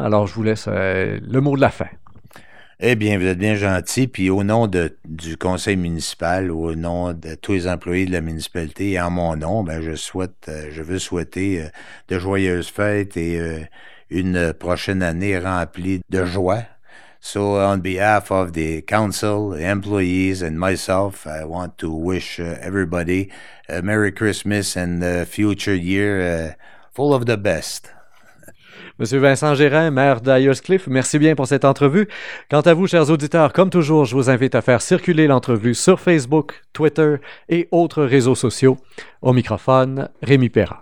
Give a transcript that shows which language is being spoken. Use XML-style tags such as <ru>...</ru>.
<fr>Alors, je vous laisse le mot de la fin. Eh bien, vous êtes bien gentil. Puis au nom du conseil municipal, au nom de tous les employés de la municipalité et en mon nom, ben je veux souhaiter de joyeuses fêtes et une prochaine année remplie de joie.</fr> <en>So on behalf of the council, the employees and myself, I want to wish everybody a Merry Christmas and a future year full of the best.</en> <fr>Monsieur Vincent Gérin, maire d'Ayerscliff, merci bien pour cette entrevue. Quant à vous, chers auditeurs, comme toujours, je vous invite à faire circuler l'entrevue sur Facebook, Twitter et autres réseaux sociaux. Au microphone, Rémi Perrin.</fr>